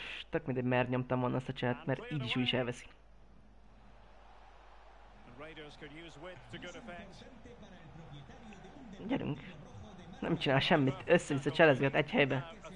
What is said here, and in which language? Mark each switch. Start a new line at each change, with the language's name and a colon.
Hungarian: Tök mindegy, mert nyomtam volna azt a csehát, mert így is úgy is elveszik.
English: Raiders could use width to good effect.
Hungarian: Gyerünk. Nem csinál semmit, össze-vissza cselezget egy helybe.